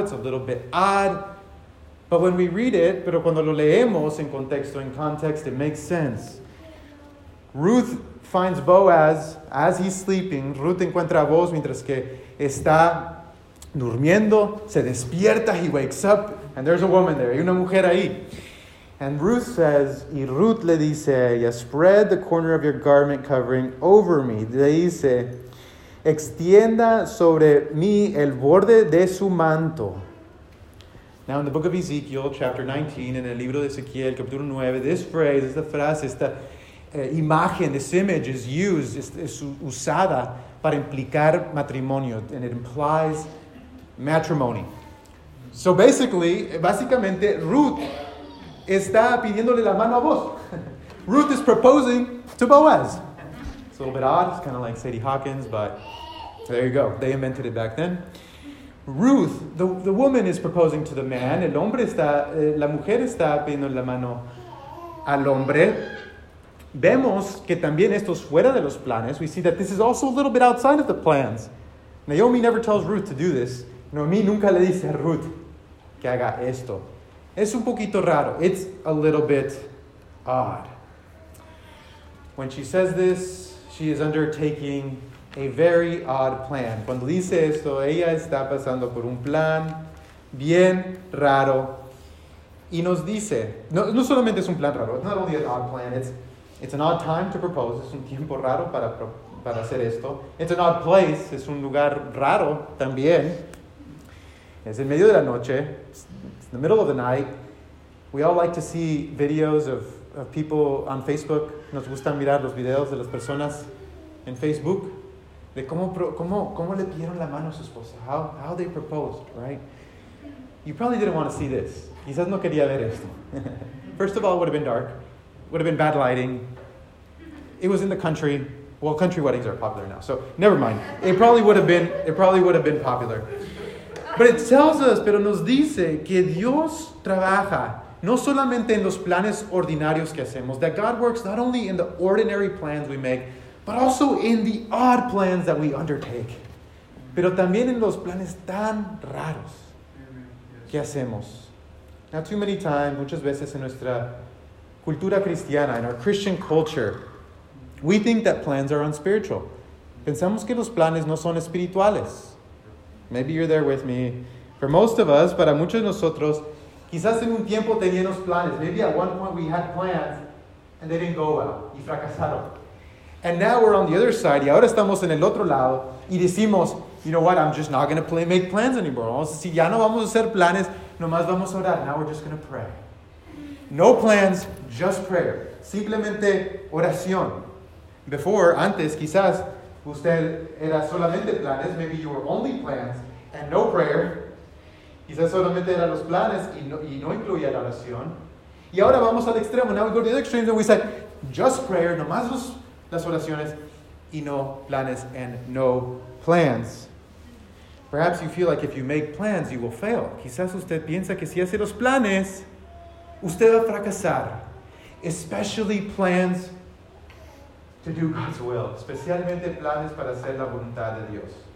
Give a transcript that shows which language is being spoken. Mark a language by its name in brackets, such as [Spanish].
[English] It's a little bit odd. But when we read it, [Spanish] pero cuando lo leemos en contexto, [English] in context, it makes sense. Ruth finds Boaz as he's sleeping. [Spanish] Ruth encuentra a Boaz mientras que está durmiendo, se despierta, [English] he wakes up, and there's a woman there, [Spanish] hay una mujer ahí. [English] And Ruth says, [Spanish] y Ruth le dice a ella, [English] spread the corner of your garment covering over me. [Spanish] Le dice, extienda sobre mí el borde de su manto. [English] Now in the book of Ezekiel, chapter 19, [Spanish] en el libro de Ezequiel, capítulo 9, [English] this phrase, [Spanish] esta frase, esta imagen, [English] this image is used, [Spanish] es usada para implicar matrimonio, [English] and it implies matrimony. [Spanish] So básicamente, Ruth está pidiéndole la mano a Boaz. [English] Ruth is proposing to Boaz. It's a little bit odd. It's kind of like Sadie Hawkins, but there you go. They invented it back then. Ruth, the woman is proposing to the man. [Spanish] El hombre está, la mujer está pidiendo la mano al hombre. Vemos que también esto es fuera de los planes. [English] We see that this is also a little bit outside of the plans. Naomi never tells Ruth to do this. [Spanish] Naomi nunca le dice a Ruth que haga esto. Es un poquito raro. [English] It's a little bit odd. When she says this, she is undertaking a very odd plan. [Spanish] Cuando dice esto, ella está pasando por un plan bien raro. Y nos dice, no solamente es un plan raro. [English] It's not only an odd plan. It's an odd time to propose. [Spanish] Es un tiempo raro para hacer esto. [English] It's an odd place. [Spanish] Es un lugar raro también. Es en medio de la noche. [English] It's in the middle of the night. We all like to see videos of people on Facebook. [Spanish] Nos gusta mirar los videos de las personas en Facebook. De cómo le pidieron la mano a su esposa. [English] How they proposed, right? You probably didn't want to see this. [Spanish] Quizás no quería ver esto. [English] First of all, it would have been dark. Would have been bad lighting. It was in the country. Well, country weddings are popular now, so never mind. It probably would have been popular. But it tells us, [Spanish] pero nos dice, que Dios trabaja no solamente en los planes ordinarios que hacemos, [English] that God works not only in the ordinary plans we make, but also in the odd plans that we undertake. [Spanish] Pero también en los planes tan raros que hacemos. [English] Not too many times, [Spanish] muchas veces en nuestra cultura cristiana, [English] in our Christian culture, we think that plans are unspiritual. [Spanish] Pensamos que los planes no son espirituales. [English] Maybe you're there with me. For most of us, [Spanish] para muchos de nosotros, quizás en un tiempo teníamos planes. [English] Maybe at one point we had plans and they didn't go well. [Spanish] Y fracasaron. [English] And now we're on the other side. [Spanish] Y ahora estamos en el otro lado. Y decimos, [English] you know what? I'm just not going to make plans anymore. [Spanish] Vamos a decir, ya no vamos a hacer planes. Nomás vamos a orar. [English] Now we're just going to pray. No plans, just prayer. [Spanish] Simplemente oración. Before, antes, quizás, usted era solamente planes. [English] Maybe you were only plans and no prayer. [Spanish] Quizás solamente eran los planes y no incluía la oración. Y ahora vamos al extremo. [English] Now we go to the extreme and we say, just prayer, [Spanish] nomás las oraciones y no planes [English] and no plans. Perhaps you feel like if you make plans, you will fail. [Spanish] Quizás usted piensa que si hace los planes, usted va a fracasar. [English] Especially plans to do God's will. [Spanish] Especialmente planes para hacer la voluntad de Dios.